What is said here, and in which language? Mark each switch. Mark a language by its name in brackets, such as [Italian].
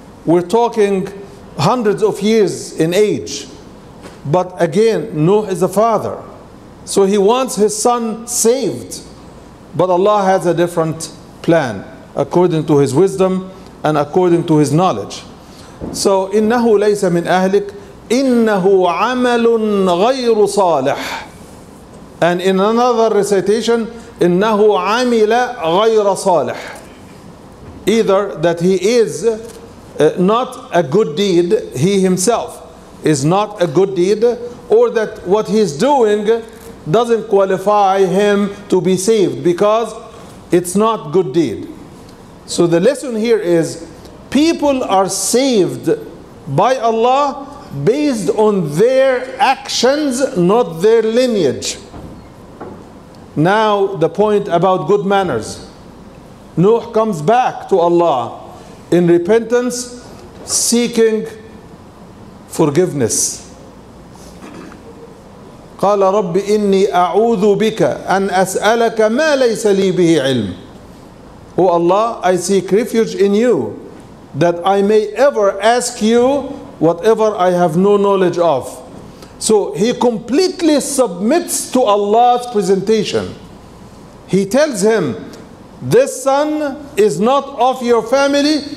[English] We're talking hundreds of years in age. But again, Nuh is a father. So he wants his son saved. But Allah has a different plan according to his wisdom and according to his knowledge. So [Arabic] إنه ليس من أهلك إنه عمل غير صالح. [English] And in another recitation, [Arabic] إنه عمل غير صالح. [English] Either that he is not a good deed, he himself is not a good deed, or that what he's doing doesn't qualify him to be saved because it's not good deed. So the lesson here is people are saved by Allah based on their actions, not their lineage. Now the point about good manners. Nuh comes back to Allah in repentance, seeking forgiveness. [Arabic] قال رب إني أعوذ بك أن أسألك ما ليس لي به علم. [English] Oh Allah, I seek refuge in you that I may ever ask you whatever I have no knowledge of. So he completely submits to Allah's presentation. He tells him, this son is not of your family.